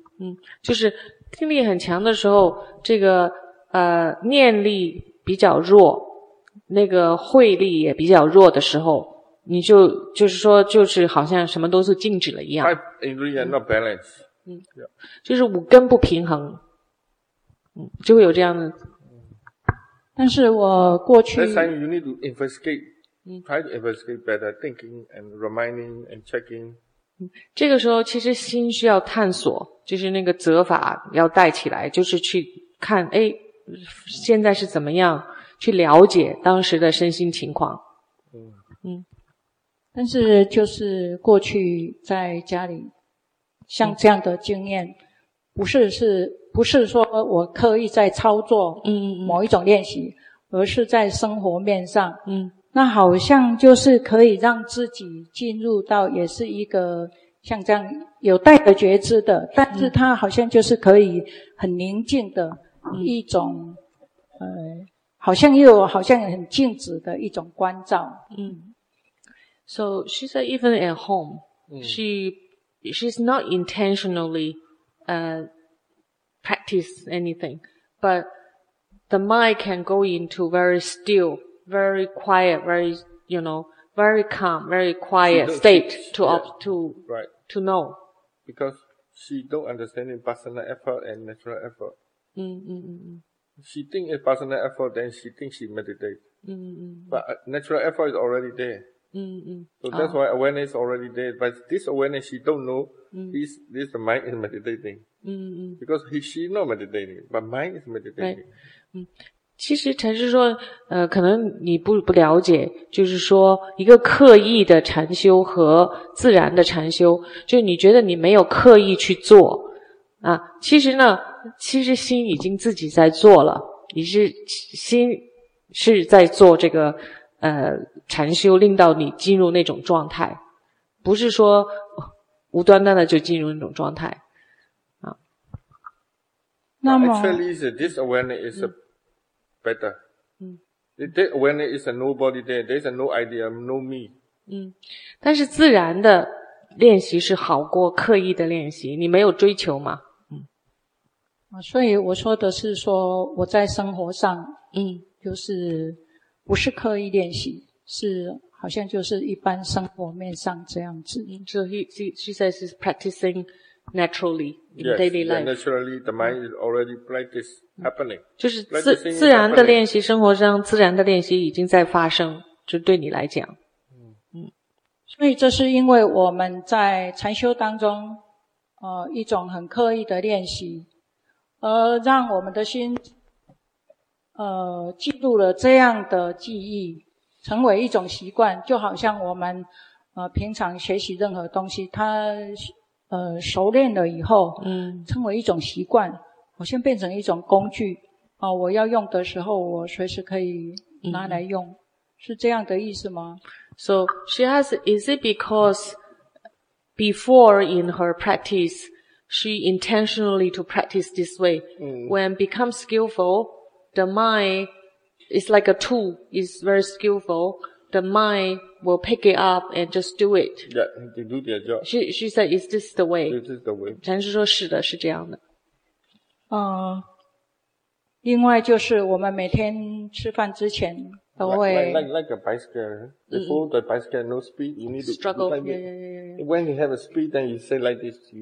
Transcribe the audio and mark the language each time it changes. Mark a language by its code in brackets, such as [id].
[zh] 嗯，就是定力很强的时候，这个念力比较弱，那个慧力也比较弱的时候，你就是说，就是好像什么都是静止了一样。 [en] Five indriya not balance. 嗯。 [zh] 就是五根不平衡，嗯，就会有这样的。但是我过去 [en] That's time you need to investigate, try to investigate better, thinking and reminding and checking. [zh] 这个时候其实心需要探索，就是那个责法要带起来，就是去看，诶，现在是怎么样，去了解当时的身心情况。嗯。但是就是过去在家里像这样的经验，不是说我刻意在操作某一种练习，嗯嗯，而是在生活面上，嗯，那好像就是可以让自己进入到也是一个像这样有带着觉知的，但是它好像就是可以很宁静的一种，嗯，好像又好像很静止的一种关照。嗯。 [en] So she said even at home, she's not intentionally practice anything, but the mind can go into very still, very quiet, very, you know, very calm, very quiet state to know. Because she don't understand impersonal effort and natural effort. She think impersonal effort, then she thinks she meditate. But natural effort is already there. So that's why awareness is already there, but this awareness she don't know. This mind is meditating. Because she not meditating, but mind is meditating. Right. [zh] 其实禅师说，可能你不了解，就是说一个刻意的禅修和自然的禅修，就是你觉得你没有刻意去做啊，其实呢，其实心已经自己在做了，你是心是在做这个禅修，令到你进入那种状态，不是说。无端端的就进入那种状态。啊。那么。 [en] Actually, this awareness is better. 嗯。 This awareness is a nobody there. There's a no idea, no me. 嗯。 [zh] 但是自然的练习是好过刻意的练习。你没有追求嘛。嗯。所以我说的是说我在生活上就是不是刻意练习，是好像就是一般生活面上这样子。 [en] So she says she's practicing naturally in yes, daily life. Yes, naturally the mind is already practice happening. [zh] 就是自然的练习，生活上自然的练习已经在发生，就对你来讲。所以这是因为我们在禅修当中一种很刻意的练习，而让我们的心进入了这样的记忆，成为一种习惯，就好像我们平常学习任何东西，它熟练了以后，成为一种习惯，好像变成一种工具，我要用的时候我随时可以拿来用，是这样的意思吗？ [en] So she asked, is it because before in her practice she intentionally to practice this way, when become skillful the mindIt's like a tool, it's very skillful, the mind will pick it up and just do it. Yeah, they do their job. She said, is this the way? This is the way. [zh] 禅师说是的，是这样的。另外就是我们每天吃饭之前都会。 [en] Like a bicycle. Before the bicycle no speed, you need to struggle. When you have a speed, then you say like this.